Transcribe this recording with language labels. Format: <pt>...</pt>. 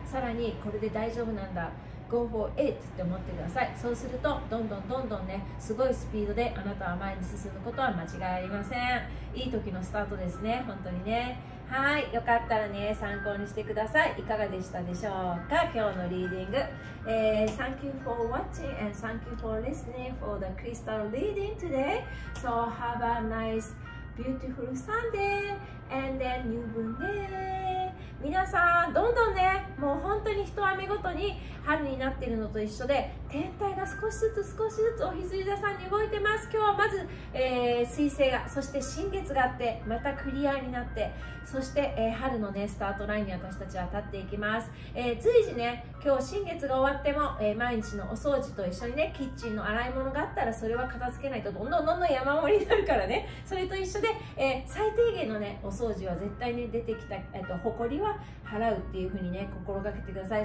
<ja>さらにこれで大丈夫なんだ、</ja> <en>Go for it</en> <ja>って思ってください。そうするとどんどんどんどんね、すごいスピードであなたは前に進むことは間違いありません。いい時のスタートですね、本当にね。はい、よかったらね参考にしてください。いかがでしたでしょうか、今日のリーディング。</ja> <en>Thank you for watching and thank you for listening for the crystal reading today. So have a nice beautiful Sunday and then new moon day.</en> <ja>皆さんどんどんね、もう本当に一雨ごとに春になっているのと一緒で、天体が少しずつ少しずつお羊座さんに動いてます。今日はまず、彗星が、そして新月があって、またクリアになって、そして、春の、ね、スタートラインに私たちは立っていきます。随時ね、今日新月が終わっても、毎日のお掃除と一緒にね、キッチンの洗い物があったらそれは片付けないとどんどんどんどん山盛りになるからね、それと一緒で、最低限のね、お掃除は絶対に出てきた、ほこりは払うっていう風にね、心がけてください。</ja>